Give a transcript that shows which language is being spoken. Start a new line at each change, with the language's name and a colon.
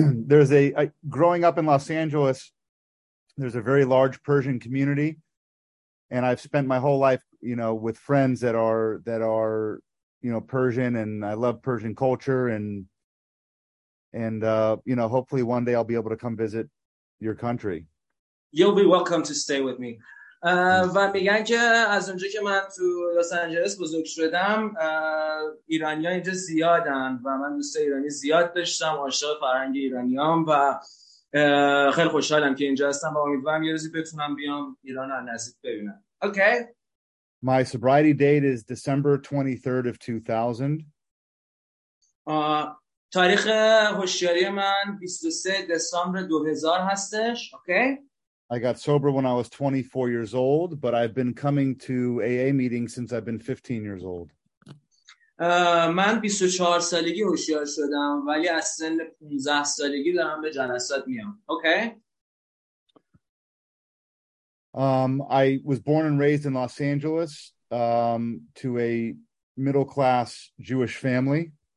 English: There's a growing up in Los Angeles, there's a very large Persian community, and I've spent my whole life, you know, with friends that are, you know, Persian, and I love Persian culture, and you know, hopefully one day I'll be able to come visit your country. You'll be welcome to stay with me.
Persian: و میگن که از اونجا که من تو لس آنجلس بزرگ شدم، ایرانی ها اینجا زیادن و من دوست ایرانی زیاد داشتم، عاشق فرهنگ ایرانی هم و خیلی خوشحالم که اینجا هستم و امیدوارم یه روزی بتونم بیام ایران رو نزدیک ببینم.
English: Okay. My sobriety date is December 23rd of 2000.
Persian: تاریخ هوشیاری من 23 دسامبر 2000 هستش.
English: Okay. I got sober when I was 24 years old, but I've been coming to AA meetings since I've been 15 years old.
Persian: من 24 سالگی هوشیار شدم ولی از سن 15 سالگی دارم به جلسات میام.
English: Okay. I was born and raised in Los Angeles, to a middle class Jewish family.